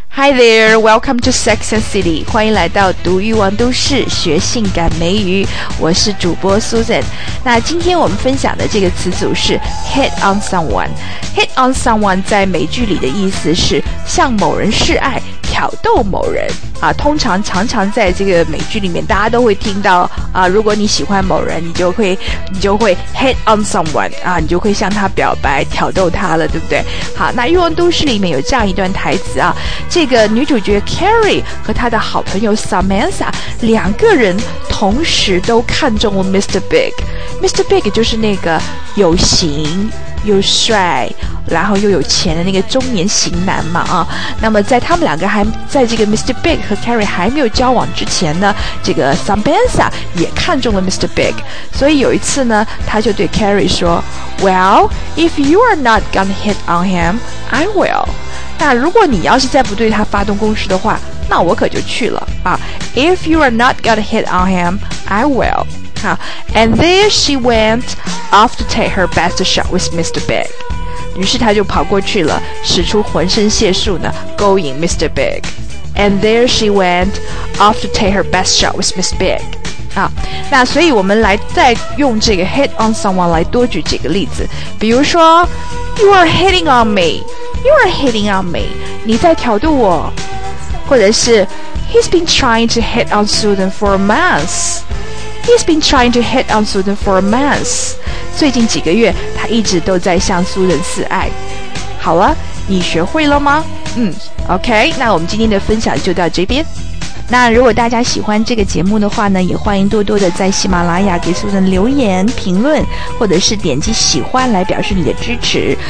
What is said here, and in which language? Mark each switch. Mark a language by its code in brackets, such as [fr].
[en] Hi there, welcome to Sex and City. [zh] 欢迎来到读欲望都市，学性感美语。我是主播 Susan。那今天我们分享的这个词组是 Hit on someone。 Hit on someone 在美剧里的意思是向某人示爱，挑逗某人啊。通常常常在这个美剧里面大家都会听到啊，如果你喜欢某人，你就会 hit on someone 啊，你就会向他表白，挑逗他了，对不对？好，那欲望都市里面有这样一段台词啊，这个女主角 Carrie 和她的好朋友 Samantha 两个人同时都看中了 Mr. Big， 就是那个有型又帅然后又有钱的那个中年型男嘛啊。那么在他们两个还在这个 Mr. Big 和 Carrie 还没有交往之前呢，这个 Samantha 也看中了 Mr. [en] Big， [zh] 所以有一次呢他就对 [en] Carrie 说， Well, if you are not gonna hit on him, I will。 [zh] 那如果你要是再不对他发动攻势的话，那我可就去了啊。 [en] If you are not gonna hit on him, I will。 And there she went off to take her best shot with Mr. Big. [zh] 于是她就跑过去了，使出浑身解数呢，勾引 Mr. [en] Big. And there she went off to take her best shot with Mr. Big. [zh] 那所以我们来再用这个 hit on someone 来多举几个例子。比如说 [en] ,You are hitting on me. You are hitting on me. [zh] 你在挑逗我。或者是 [en] ,He's been trying to hit on Susan for a month. He's been trying to hit on Susan for a month. [zh] 最近几个月他一直都在向苏人示爱。好了，你学会了吗？ OK， 那我们今天的分享就到这边。那如果大家喜欢这个节目的话呢，也欢迎多多的在喜马拉雅给苏人留言评论，或者是点击喜欢来表示你的支持。